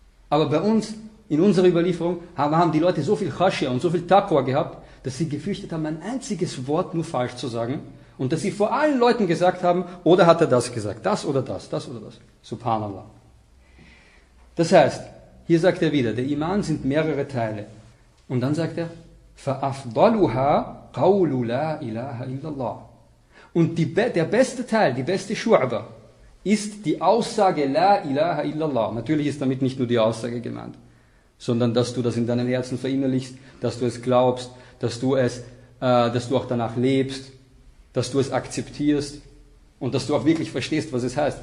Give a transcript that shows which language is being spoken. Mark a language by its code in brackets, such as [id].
[de] Aber bei uns, in unserer Überlieferung, haben die Leute so viel Khashia und so viel Taqwa gehabt, dass sie gefürchtet haben, ein einziges Wort nur falsch zu sagen. Und dass sie vor allen Leuten gesagt haben, oder hat er das gesagt, das oder das, das oder das. Subhanallah. Das heißt, hier sagt er wieder, der Iman sind mehrere Teile. Und dann sagt er, [ar] فَأَفْضَلُهَا قَوْلُ لَا إِلَهَ إِلَّا اللَّهُ. [de] Und der beste Teil, die beste Shu'aba, ist die Aussage La ilaha illallah. Natürlich ist damit nicht nur die Aussage gemeint, sondern dass du das in deinem Herzen verinnerlichst, dass du es glaubst, dass du auch danach lebst, dass du es akzeptierst und dass du auch wirklich verstehst, was es heißt.